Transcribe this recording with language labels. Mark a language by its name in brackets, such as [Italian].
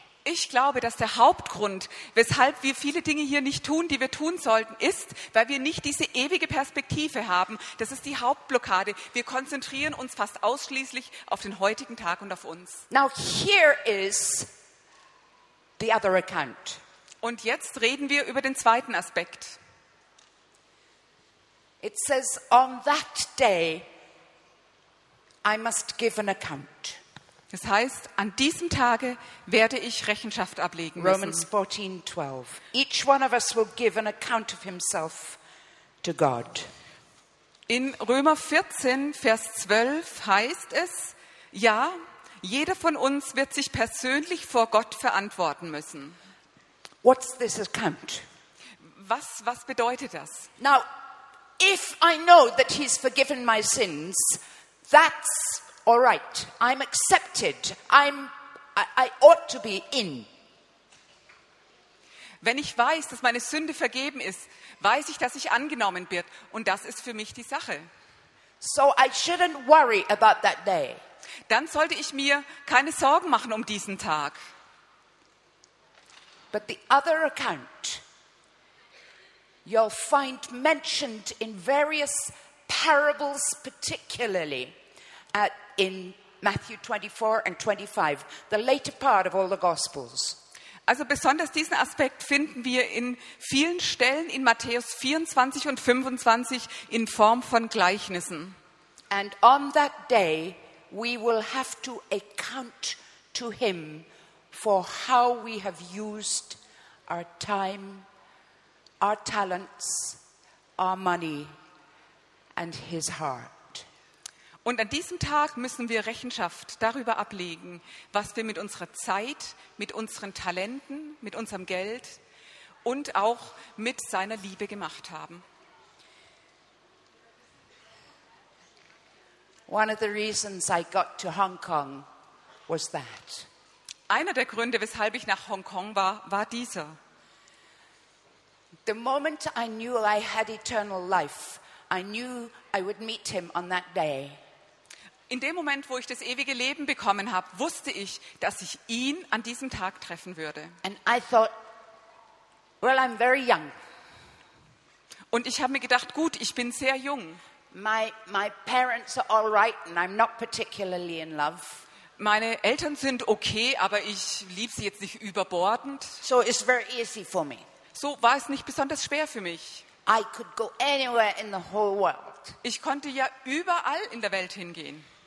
[German] Ich glaube, dass der Hauptgrund, weshalb wir viele Dinge hier nicht tun, die wir tun sollten, ist, weil wir nicht diese ewige Perspektive haben. Das ist die Hauptblockade. Wir konzentrieren uns fast ausschließlich auf den heutigen Tag und auf uns. [English] Now here is the other account. [German] Und jetzt reden wir über den zweiten Aspekt. [English] It says, on that day I must give an account. [German] Das heißt, an diesem Tage werde ich Rechenschaft ablegen müssen. [English] Romans 14, 12. Each one of us will give an account of himself to God. [German] In Römer 14, Vers 12 heißt es, ja, jeder von uns wird sich persönlich vor Gott verantworten müssen. [English] What's this account? [German] Was bedeutet das? [English] Now, if I know that he's forgiven my sins, that's all right, I'm accepted. I ought to be in. [German] Wenn ich weiß, dass meine Sünde vergeben ist, weiß ich, dass ich angenommen wird, und das ist für mich die Sache. [English] So I shouldn't worry about that day. [German] Dann sollte ich mir keine Sorgen machen um diesen Tag. [English] But the other account you'll find mentioned in various parables, particularly at in Matthew 24 and 25, the later part of all the Gospels. [German] Also besonders diesen Aspekt finden wir in vielen Stellen in Matthäus 24 und 25 in Form von Gleichnissen. [English] And on that day we will have to account to him for how we have used our time, our talents, our money and his heart. [German] Und an diesem Tag müssen wir Rechenschaft darüber ablegen, was wir mit unserer Zeit, mit unseren Talenten, mit unserem Geld und auch mit seiner Liebe gemacht haben. [English] One of the reasons I got to Hong Kong was that. [German] Einer der Gründe, weshalb ich nach Hongkong war, war dieser. [English] The moment I knew I had eternal life, I knew I would meet him on that day. [German] In dem Moment, wo ich das ewige Leben bekommen habe, wusste ich, dass ich ihn an diesem Tag treffen würde. [English] And I thought, well, I'm very young. [German] Und ich habe mir gedacht, gut, ich bin sehr jung. [English] My parents are all right and I'm not particularly in love. [German] Meine Eltern sind okay, aber ich liebe sie jetzt nicht überbordend. [English] So it's very easy for me. [German] So war es nicht besonders schwer für mich. [English] I could go anywhere in the whole world. [German] Ich konnte ja überall in der Welt hingehen.